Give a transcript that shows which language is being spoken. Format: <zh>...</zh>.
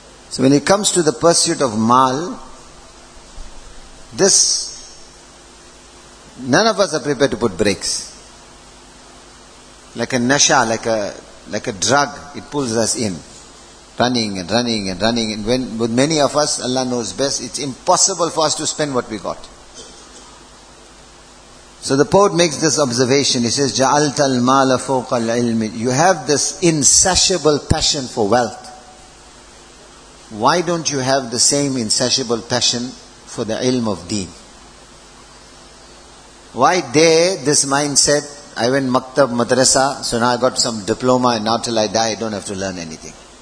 <en>So when it comes to the pursuit of maal, this, none of us are prepared to put brakes. Like a nasha, like a drug, it pulls us in. Running and running and running. And when, with many of us, Allah knows best, it's impossible for us to spend what we got. So the poet makes this observation.</en> <ar>He says, جَعَلْتَ الْمَالَ فَوْقَ الْعِلْمِ.</ar> <en>You have this insatiable passion for wealth. Why don't you have the same insatiable passion for the ilm of deen? Why there, this mindset, I went maktab, madrasa, so now I got some diploma and now till I die I don't have to learn anything.</en>